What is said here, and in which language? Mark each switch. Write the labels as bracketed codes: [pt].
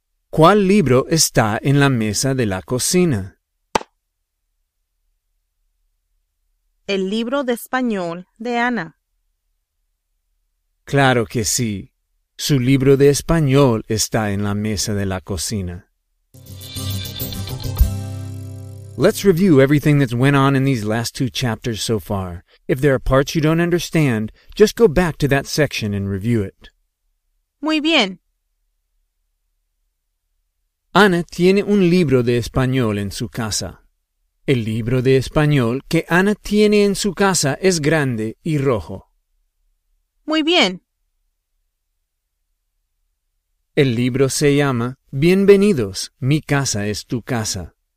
[es] ¿Cuál libro está en la mesa de la cocina? El libro de español de Ana. Claro que sí. Su libro de español está en la mesa de la cocina. [en] Let's review everything that's went on in these last two chapters so far. If there are parts you don't understand, just go back to that section and review it. [es] Muy bien. Ana tiene un libro de español en su casa. El libro de español que Ana tiene en su casa es grande y rojo. Muy bien. El libro se llama Bienvenidos, mi casa es tu casa.